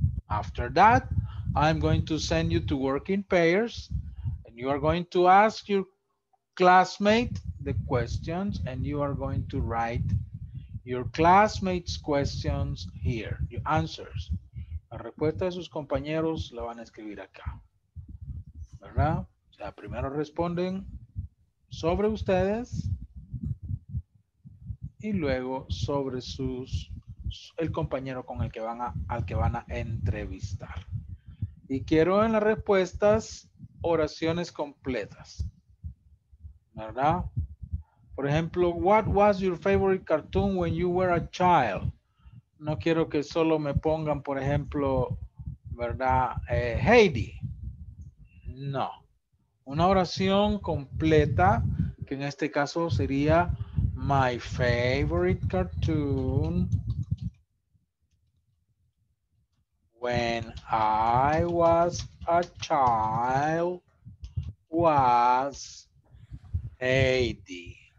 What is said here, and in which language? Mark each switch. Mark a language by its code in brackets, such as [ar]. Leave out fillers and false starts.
[en] After that, I'm going to send you to work in pairs and you are going to ask your classmate the questions and you are going to write your classmate's questions here, your answers. [es] La respuesta de sus compañeros la van a escribir acá. ¿Verdad? O sea, primero responden sobre ustedes. y luego sobre sus el compañero con el que van a al que van a entrevistar. Y quiero en las respuestas oraciones completas. ¿Verdad? Por ejemplo, [en] what was your favorite cartoon when you were a child? [es] No quiero que solo me pongan, por ejemplo, ¿verdad? Heidi. No. Una oración completa, que en este caso sería [en] my favorite cartoon when I was a child was Heidi.